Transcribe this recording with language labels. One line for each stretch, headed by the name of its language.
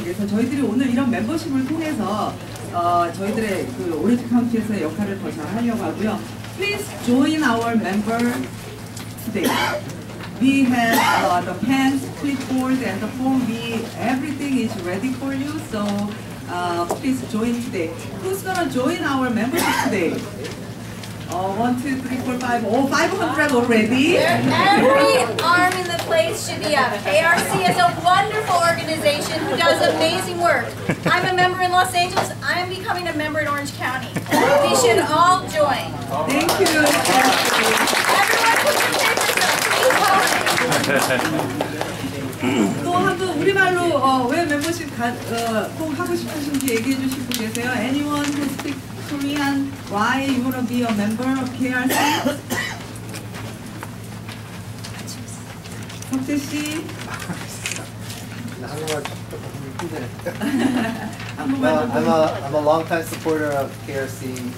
Korean: 그래서 저희들이 오늘 이런 멤버십을 통해서 저희들의 그 오렌지 카운티에서의 역할을 더 잘 하려고 하고요.
English: Please join our member today. We have the pens, clipboard, and the phone. Everything is ready for you. So please join today. Who's gonna join our membership today? One, two, three, four, five, all 500 already. Every arm in the place should be up. KRC is a wonderful organization who does amazing work. I'm a member in Los Angeles. I'm becoming a member in Orange County. We should all join. Thank you. Everyone put your papers up. Please help.
Korean: 또 한 분 우리말로 왜 멤버십 꼭 하고 싶으신지 얘기해 주실 분 계세요?
English: Anyone who speak Korean, why you want to be a member of KRC?
Korean: 박재 씨. 한국말 좀
English: I'm a long time supporter of KRC.